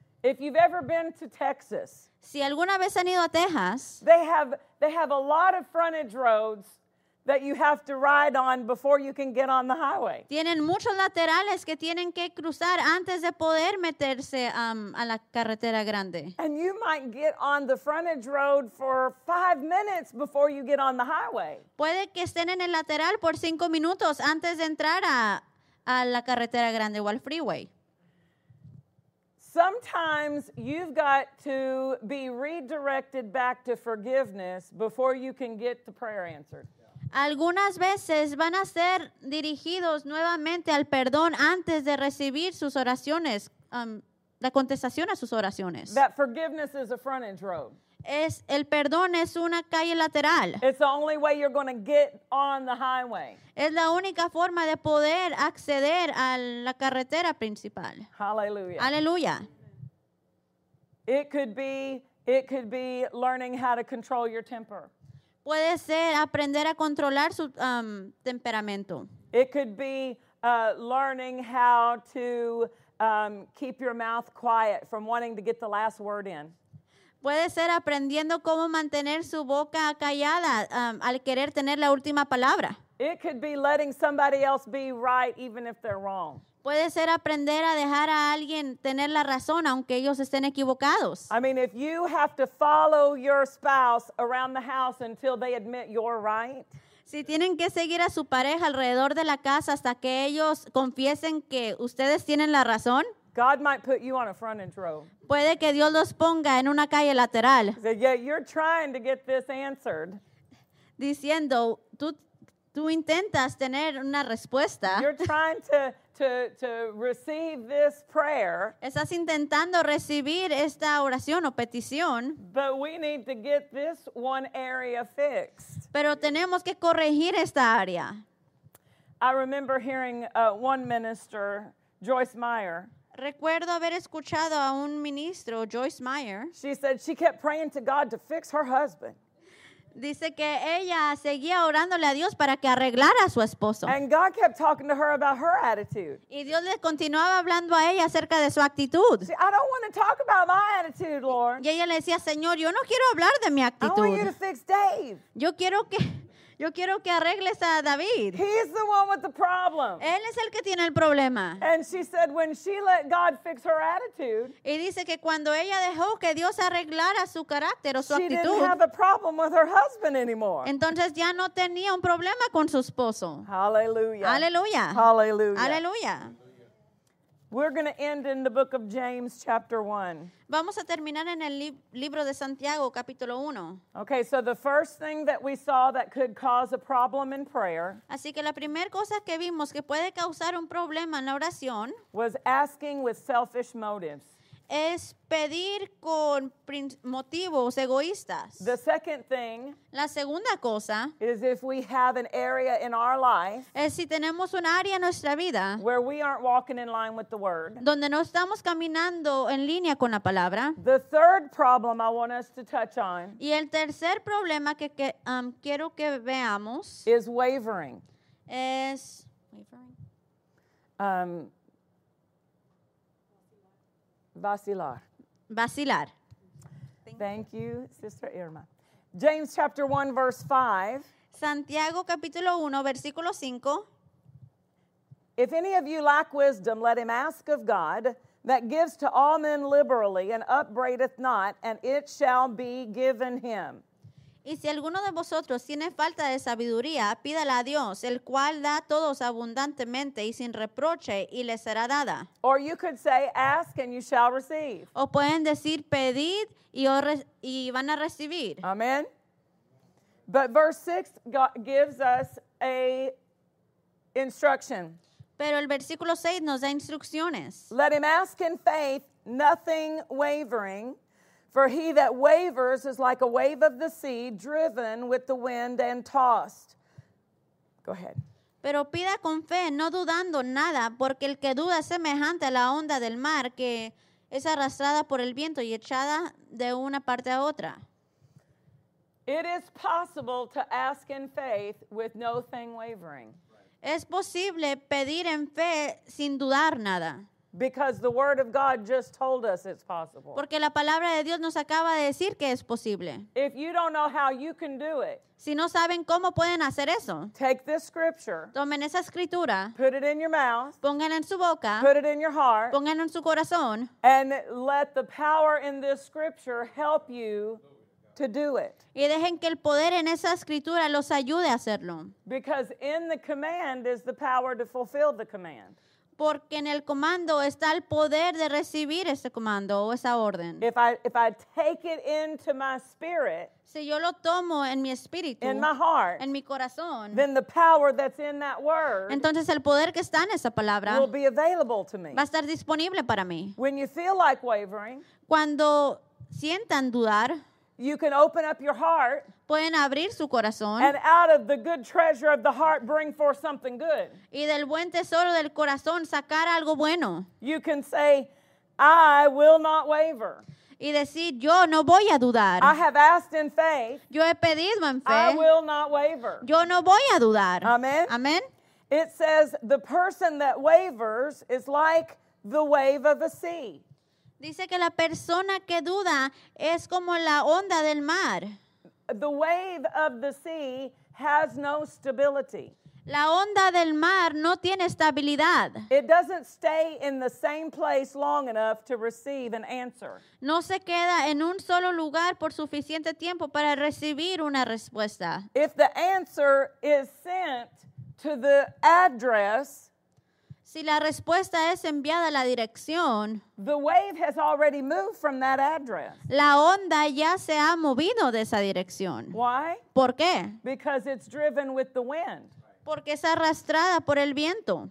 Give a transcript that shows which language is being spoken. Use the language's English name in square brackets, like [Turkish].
[English] If you've ever been to Texas, [Spanish] si alguna vez han ido a Texas, [English] they have a lot of frontage roads that you have to ride on before you can get on the highway. [Spanish] Tienen muchos laterales que tienen que cruzar antes de poder meterse a la carretera grande. [English] And you might get on the frontage road for 5 minutes before you get on the highway. [Spanish] Puede que estén en el lateral por 5 minutos antes de entrar a la carretera grande o al freeway. [English] Sometimes you've got to be redirected back to forgiveness before you can get the prayer answered. [Spanish] Algunas veces van a ser dirigidos nuevamente al perdón antes de recibir sus oraciones, la contestación a sus oraciones. [English] That forgiveness is a frontage road. [Spanish] Es, el perdón es una calle lateral. [English] It's the only way you're going to get on the highway. [Spanish] Es la única forma de poder acceder a la carretera principal. [English] Hallelujah. [Spanish] Hallelujah. [English] It could be learning how to control your temper. [Spanish] Puede ser aprender a controlar su temperamento. [English] It could be learning how to keep your mouth quiet from wanting to get the last word in. [Spanish] Puede ser aprendiendo cómo mantener su boca callada al querer tener la última palabra. [English] It could be letting somebody else be right even if they're wrong. [Spanish] Puede ser aprender a dejar a alguien tener la razón aunque ellos estén equivocados. [English] I mean, if you have to follow your spouse around the house until they admit you're right. [Spanish] Si tienen que seguir a su pareja alrededor de la casa hasta que ellos confiesen que ustedes tienen la razón. [English] God might put you on a frontage road. [Spanish] Puede que Dios los ponga en una calle lateral. [English] Yeah, you're trying to get this answered. [Spanish] Diciendo, tú intentas tener una respuesta. [English] You're trying to receive this prayer. [Spanish] Estás intentando recibir esta oración o petición. [English] But we need to get this one area fixed. [Spanish] Pero tenemos que corregir esta área. [English] I remember hearing one minister, Joyce Meyer. [Spanish] Recuerdo haber escuchado a un ministro, Joyce Meyer. [English] She said she kept praying to God to fix her husband. [Spanish] Dice que ella seguía orándole a Dios para que arreglara a su esposo. [English] And God kept talking to her about her attitude. [Spanish] Y Dios le continuaba hablando a ella acerca de su actitud. [English] See, I don't want to talk about my attitude, Lord. [Spanish] Y ella le decía, Señor, yo no quiero hablar de mi actitud. [English] I want you to fix Dave. [Spanish] Yo quiero que Yo quiero que arregles a David. [English] He's the one with the problem. [Spanish] Él es el que tiene el problema. [English] And she said when she let God fix her attitude. [Spanish] Y dice que cuando ella dejó que Dios arreglara su carácter o su [English] she [Spanish] actitud. [English] She didn't have a problem with her husband anymore. [Spanish] Entonces ya no tenía un problema con su esposo. [English] Hallelujah. [Spanish] Aleluya. [English] Hallelujah. [Spanish] Aleluya. [English] We're going to end in the book of James, chapter 1. [Spanish] Vamos a terminar en el libro de Santiago, capítulo 1. [English] Okay, so the first thing that we saw that could cause a problem in prayer. [Spanish] Así que la primera cosa que vimos que puede causar un problema en la oración. [English] Was asking with selfish motives. [Spanish] Es pedir con motivos egoístas. [English] The second thing. [Spanish] La segunda cosa. [English] Is if we have an area in our life. [Spanish] Es si tenemos un área en nuestra vida. [English] Where we aren't walking in line with the word. [Spanish] Donde no estamos caminando en línea con la palabra. [English] The third problem I want us to touch on. [Spanish] Y el tercer problema que quiero que veamos. [English] Is wavering. [Spanish] Es wavering. Vacilar. Vacilar. [English] Thank you, Sister Irma. James chapter 1, verse 5. [Spanish] Santiago capítulo 1, versículo 5. [English] If any of you lack wisdom, let him ask of God, that gives to all men liberally and upbraideth not, and it shall be given him. [Spanish] Y si alguno de vosotros tiene falta de sabiduría, pídala a Dios, el cual da a todos abundantemente y sin reproche, y le será dada. [English] Or you could say, ask and you shall receive. [Spanish] O pueden decir, pedid y van a recibir. [English] Amen. But verse 6 gives us a instruction. [Spanish] Pero el versículo 6 nos da instrucciones. [English] Let him ask in faith, nothing wavering. For he that wavers is like a wave of the sea, driven with the wind and tossed. Go ahead. [Spanish] Pero pida con fe, no dudando nada, porque el que duda es semejante a la onda del mar, que es arrastrada por el viento y echada de una parte a otra. [English] It is possible to ask in faith with no thing wavering. [Spanish] Es posible pedir en fe sin dudar nada. [English] Because the word of God just told us it's possible. [Spanish] Porque la palabra de Dios nos acaba de decir que es posible. [English] If you don't know how you can do it. [Spanish] Si no saben cómo pueden hacer eso. [English] Take this scripture. [Spanish] Tomen esa escritura. [English] Put it in your mouth. [Spanish] Pónganla en su boca. [English] Put it in your heart. [Spanish] Pónganla en su corazón. [English] And let the power in this scripture help you to do it. [Spanish] Y dejen que el poder en esa escritura los ayude a hacerlo. [English] Because in the command is the power to fulfill the command. [Spanish] Porque en el comando está el poder de recibir ese comando o esa orden. [English] If I take it into my spirit, [Spanish] si yo lo tomo en mi espíritu, [English] in my heart, [Spanish] en mi corazón, [English] then the power that's in that word, [Spanish] entonces el poder que está en esa palabra, [English] will be available to me. [Spanish] Va a estar disponible para mí. [English] When you feel like wavering, [Spanish] cuando sientan dudar, [English] you can open up your heart. [Spanish] Pueden abrir su corazón. [English] And out of the good treasure of the heart, bring forth something good. [Spanish] Y del buen tesoro del corazón sacar algo bueno. [English] You can say, I will not waver. [Spanish] Y decir, yo no voy a dudar. [English] I have asked in faith. [Spanish] Yo he pedido en fe. [English] I will not waver. [Spanish] Yo no voy a dudar. [English] Amen. [Spanish] Amen. [English] It says, the person that wavers is like the wave of the sea. [Spanish] Dice que la persona que duda es como la onda del mar. [English] The wave of the sea has no stability. [Spanish] La onda del mar no tiene estabilidad. [English] It doesn't stay in the same place long enough to receive an answer. [Spanish] No se queda en un solo lugar por suficiente tiempo para recibir una respuesta. [English] If the answer is sent to the address, [Spanish] si la respuesta es enviada a la dirección, [English] the wave has already moved from that address. [Spanish] La onda ya se ha movido de esa dirección. [English] Why? [Spanish] ¿Por qué? [English] Because it's driven with the wind. [Spanish] Porque es arrastrada por el viento.